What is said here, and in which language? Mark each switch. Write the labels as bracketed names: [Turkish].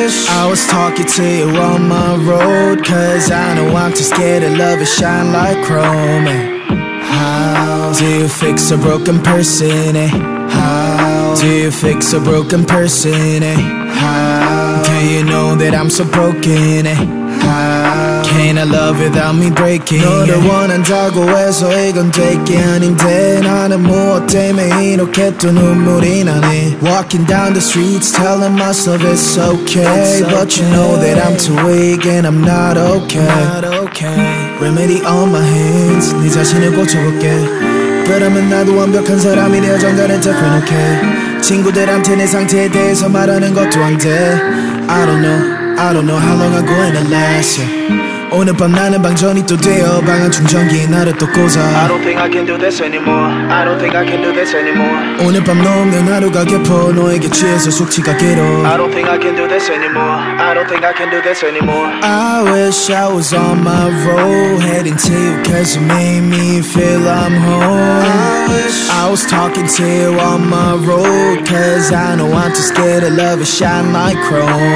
[English] I was talking to you on my road, cause I know I'm too scared of love, it shine like chrome. Do you fix a broken person, eh? How? Do you fix a broken person, eh? How? Do you know that I'm so broken, eh? How? Can't I love without me breaking? [Korean] 너를 원한다고 해서 이건 될 게 아닌데 나는 무엇 때문에 이렇게 또 눈물이 나네. [English] Walking down the streets telling myself it's okay, it's but okay. You know that I'm too weak and I'm not okay, not okay. Remedy on my hands, [Korean] 네 자신을 고쳐볼게. 그러면 나도 완벽한 사람이 되어 정단을 덮어놓게. [English] Okay. [Korean] 친구들한테 내 상태에 대해서 말하는 것도 안 돼. [English] I don't know how long I'm going to last, yeah. [Korean] 오늘 밤 나는 방전이 또 되어 방안 충전기에 나를 또 꽂아. [English] I don't think I can do this anymore, I don't think I can do this anymore. [Korean] 오늘 밤 넘는 하루가 깊어 너에게 취해서 숙취가 길어. [English] I don't think I can do this anymore, I don't think I can do this anymore. I wish I was on my road, heading to you cause you made me feel I'm home. I wish I was talking to you on my road, cause I know I'm too scared of love, it shine like chrome.